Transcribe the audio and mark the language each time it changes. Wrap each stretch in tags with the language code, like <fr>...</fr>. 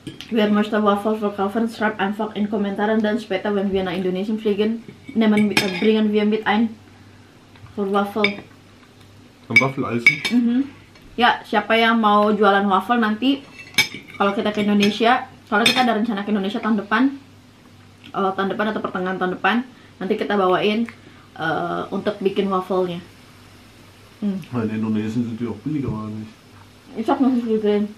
<de>Wer möchte Waffel verkaufen, schreibt einfach in Kommentaren, dann später, wenn wir nach Indonesien fliegen, bringen wir mit ein für Waffel. Ein Waffeleisen?</de> <id>Ja, siapa yang mau jualan waffle nanti, kalau kita ke Indonesia, kalau kita ada rencana ke Indonesia tahun depan, atau pertengahan tahun depan, nanti kita bawain untuk bikin waffle-nya.</id> <de>In Indonesien sind wir auch billiger, oder nicht? Ich hab noch nicht gesehen.</de>